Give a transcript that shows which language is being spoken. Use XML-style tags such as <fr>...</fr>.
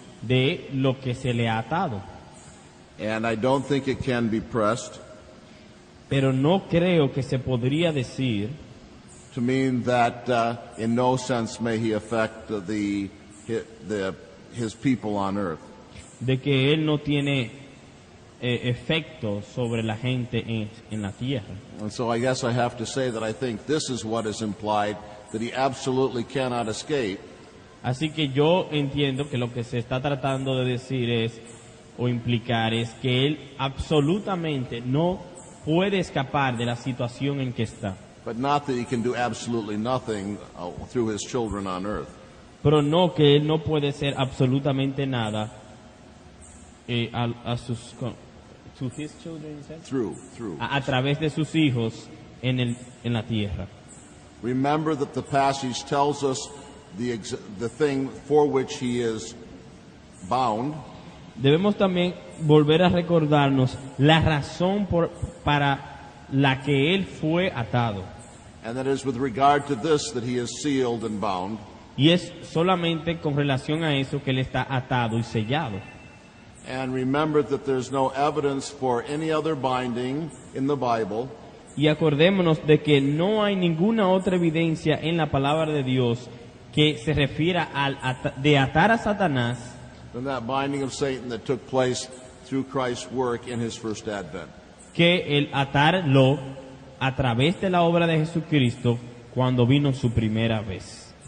<es>De lo que se le ha atado.</es> <en>And I don't think it can be pressed.</en> <es>Pero no creo que se podría decir.</es> <en>To mean that in no sense may he affect his people on earth.</en> <es>De que él no tiene efecto sobre la gente en la tierra.</es> <en>And so I guess I have to say that I think this is what is implied, that he absolutely cannot escape.</en> <es>Así que yo entiendo que lo que se está tratando de decir es, o implicar, es que él absolutamente no puede escapar de la situación en que está.</es> <en>But not that he can do absolutely nothing through his children on earth.</en> <es>Pero no que él no puede ser absolutamente nada a sus</es> <en>to his children, through.</en> <es>A través de sus hijos en la tierra.</es> <en>Remember that the passage tells us the thing for which he is bound.</en> <es>Debemos también volver a recordarnos la razón para la que él fue atado.</es> <en>And that is with regard to this that he is sealed and bound.</en> <es>Y es solamente con relación a eso que él está atado y sellado.</es> <en>And remember that there's no evidence for any other binding in the Bible.</en> <es>Y acordémonos de que no hay ninguna otra evidencia en la palabra de Dios que se refiera de atar a Satanás.</es> <en>Than that binding of Satan that took place through Christ's work in his first advent.</en> <es>Que el atarlo a través de la obra de Jesucristo cuando vino su primera vez.</es>